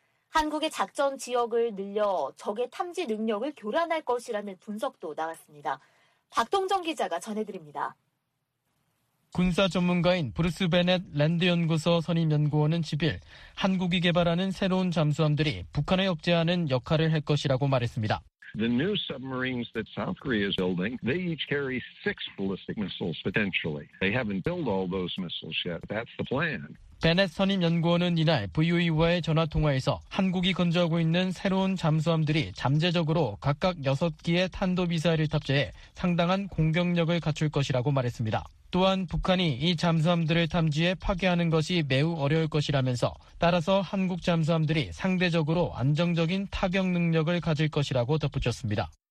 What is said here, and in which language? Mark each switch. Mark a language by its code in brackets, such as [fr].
[ko] 한국의 작전 지역을 늘려 적의 탐지 능력을 교란할 것이라는 분석도 나왔습니다. 박동정 기자가 전해드립니다. 군사 전문가인 브루스 베넷 랜드연구소 선임연구원은 10일 한국이 개발하는 새로운 잠수함들이 북한을 억제하는 역할을 할 것이라고 말했습니다. [en] The new submarines that South Korea is building, they each carry six ballistic missiles potentially. They haven't built all those missiles yet. That's the plan. [ko] 베넷 선임 연구원은 이날 VOE와의 전화통화에서 한국이 건조하고 있는 새로운 잠수함들이 잠재적으로 각각 6기의 탄도미사일을 탑재해 상당한 공격력을 갖출 것이라고 말했습니다. 또한 북한이 이 잠수함들을 탐지해 파괴하는 것이 매우 어려울 것이라면서 따라서 한국 잠수함들이 상대적으로 안정적인 타격 능력을 가질 것이라고 덧붙였습니다.